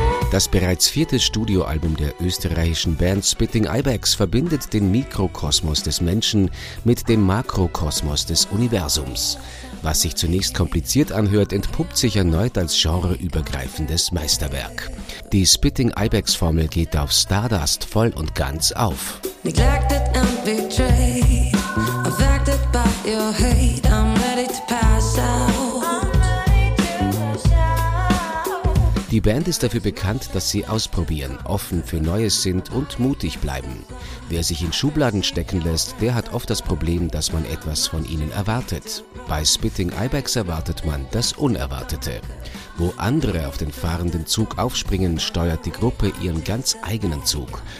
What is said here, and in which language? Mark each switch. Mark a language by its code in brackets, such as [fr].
[de] Das bereits vierte Studioalbum der österreichischen Band Spitting Ibex verbindet den Mikrokosmos des Menschen mit dem Makrokosmos des Universums. Was sich zunächst kompliziert anhört, entpuppt sich erneut als genreübergreifendes Meisterwerk. Die Spitting Ibex-Formel geht auf Stardust voll und ganz auf. [en] Neglected and betrayed, affected by your hate, I'm ready to pass out. [de] Die Band ist dafür bekannt, dass sie ausprobieren, offen für Neues sind und mutig bleiben. Wer sich in Schubladen stecken lässt, der hat oft das Problem, dass man etwas von ihnen erwartet. Bei Spitting Ibex erwartet man das Unerwartete. Wo andere auf den fahrenden Zug aufspringen, steuert die Gruppe ihren ganz eigenen Zug.